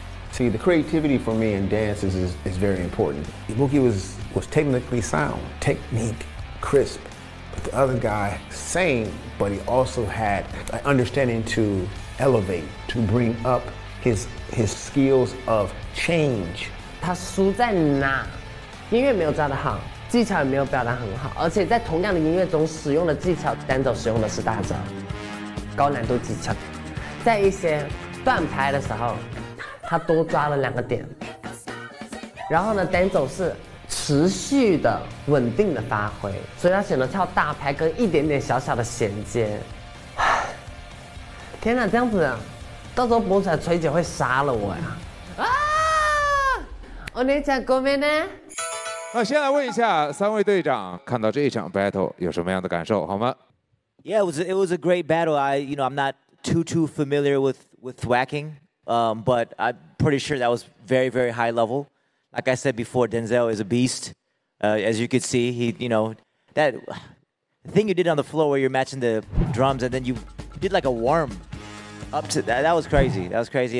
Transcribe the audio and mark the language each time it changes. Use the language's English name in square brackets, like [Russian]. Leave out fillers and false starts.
[English] See, the creativity for me in dance is very important. Ibuki was technically sound, technique, crisp. The other guy, same, but he also had an understanding to elevate, to bring up his skills of change. [Chinese] 他输在哪？音乐没有抓得好，技巧也没有表达很好，而且在同样的音乐中使用的技巧，单走使用的是大招，高难度技巧。在一些断拍的时候，他多抓了两个点。然后呢，单走是。持续的稳定的发挥，所以他选择跳大拍跟一点点小小的衔接。天哪，这样子，到时候播出来，崔姐会杀了我呀！啊，我那家哥们呢？那先来问一下三位队长，看到这一场 battle 有什么样的感受，好吗 [English] ？Yeah, it was a great battle. I'm not too familiar with thwacking, but I'm pretty sure that was very very high level. Like I said before, Danzel is a beast. As you could see, that thing you did on the floor where you're matching the drums and then you did like a worm up to that. That was crazy. That was crazy.